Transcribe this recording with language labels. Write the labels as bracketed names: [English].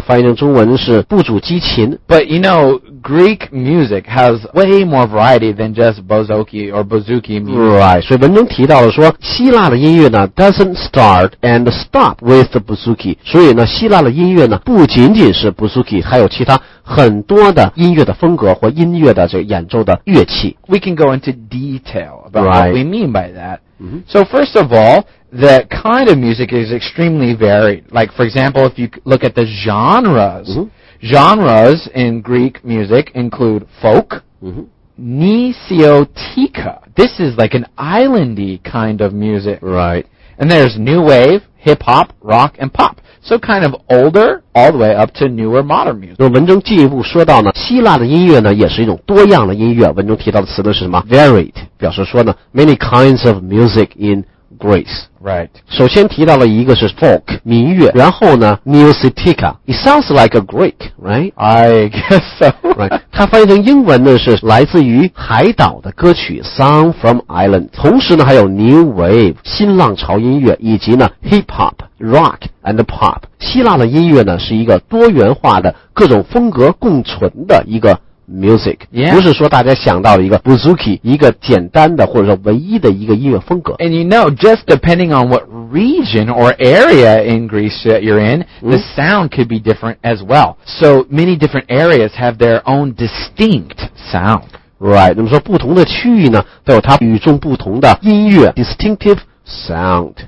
[Chinese] 翻译成中文是不足击琴。 [English] But you know, Greek music has way more variety than just bouzouki or bouzouki music. Right. [Chinese] 所以文中提到了说，希腊的音乐呢 [English] doesn't start and stop with the bouzouki. [Chinese] 所以呢，希腊的音乐呢不仅仅是 bouzouki， 还有其他很多的音乐的风格或音乐的这演奏的乐器。 [English] We can go into detail about right. what we mean by that. So first of all, the kind of music is extremely varied. Like, for example, if you look at the genres,、 mm-hmm. genres in Greek music include folk,、 mm-hmm. nisiotika. This is like an islandy kind of music. Right. And there's new wave, hip-hop, rock, and pop. So kind of older, all the way up to newer modern music. [Chinese] 那文中进一步说到呢，希腊的音乐呢也是一种多样的音乐。文中提到的词呢是什么 ？Varied， 表示说呢 ， [English] many kinds of music in Greece. Right. [Chinese] 首先提到了一个是 folk 民乐，然后呢 ，nisiotika. [English] It sounds like a Greek, right? I guess so. Right. [Chinese] 它翻译成英文呢是来自于海岛的歌曲 ， [English] song from island. [Chinese] 同时呢还有 new wave 新浪潮音乐以及呢 hip hop。 [English] Rock and pop. [Chinese] 希腊的音乐呢是一个多元化的各种风格共存的一个 music、 [English] yeah. [Chinese] 不是说大家想到了一个 bouzouki 一个简单的或者说唯一的一个音乐风格 [English] And you know, just depending on what region or area in Greece that you're in、the sound could be different as well. So many different areas have their own distinct sound. Right, [Chinese] 那么说不同的区域呢都有它与众不同的音乐 [English] distinctive sound.